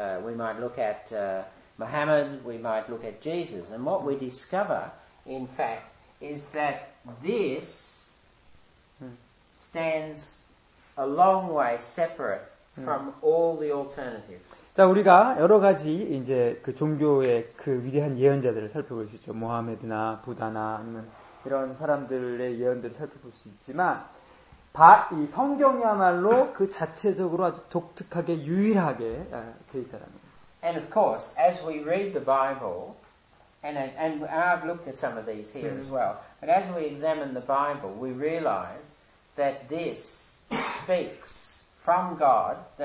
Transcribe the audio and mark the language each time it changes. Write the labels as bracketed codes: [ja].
[en] We might look at Muhammad. We might look at Jesus. And what we discover, in fact, is that this stands a long way separate from all the alternatives. [ko] 자, 우리가 여러 가지 이제 그 종교의 그 위대한 예언자들을 살펴볼 수 있죠. 모하메드나 부다나 아니면 이런 사람들의 예언들을 살펴볼 수 있지만, 이 성경이야말로 그 자체적으로 아주 독특하게 유일하게 되어 있다라는 거예요. [en] And of course, as we read the Bible, and I've looked at some of these here as well, but as we examine the Bible, we realize that this speaks from God.